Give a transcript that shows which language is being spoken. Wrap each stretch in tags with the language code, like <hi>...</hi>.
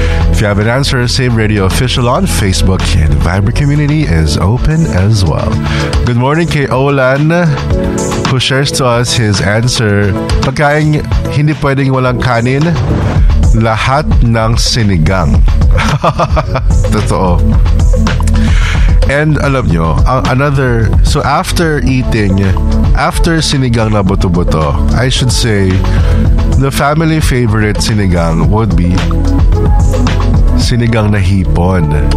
<en>If you have an answer, Save Radio Official on Facebook, and the Viber community is open as well. Good morning kay Olan, who shares to us his answer.</en> <tl>Pagkain hindi pwedeng walang kanin, lahat ng sinigang. Totoo.</tl> <en>And</en> <tl>alam nyo,</tl> <en>another, so after eating, after sinigang na buto-buto, I should say, the family favorite sinigang would be sinigang na hipon.</en>